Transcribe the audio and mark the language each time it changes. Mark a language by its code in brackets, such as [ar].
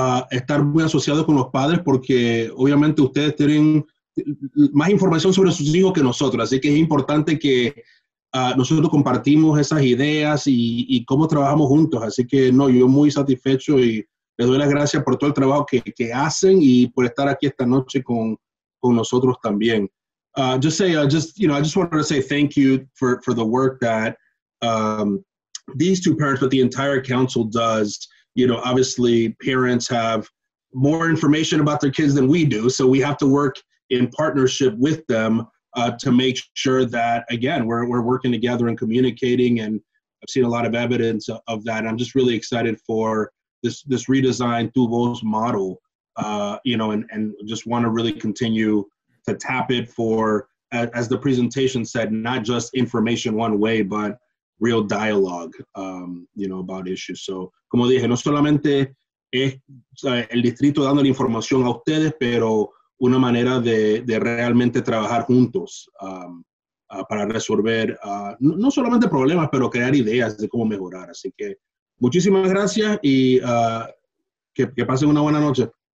[es] estar muy asociados con los padres porque obviamente ustedes tienen más información sobre sus hijos que nosotros, así que es importante que nosotros compartimos esas ideas y cómo trabajamos juntos, así que no, yo muy satisfecho y les doy las gracias por todo el trabajo que hacen y por estar aquí esta noche con nosotros también. [en] I just wanted to say thank you for the work that these two parents, but the entire council does. You know, obviously parents have more information about their kids than we do, so we have to work in partnership with them to make sure that, again, we're working together and communicating, and I've seen a lot of evidence of that. I'm just really excited for this redesigned Tu Voz model, and just want to really continue to tap it for, as the presentation said, not just information one way, but real dialogue, about issues. [es] So, como dije, no solamente es el distrito dando la información a ustedes, pero una manera de realmente trabajar juntos para resolver, no solamente problemas, pero crear ideas de cómo mejorar. Así que, muchísimas gracias y que pasen una buena noche.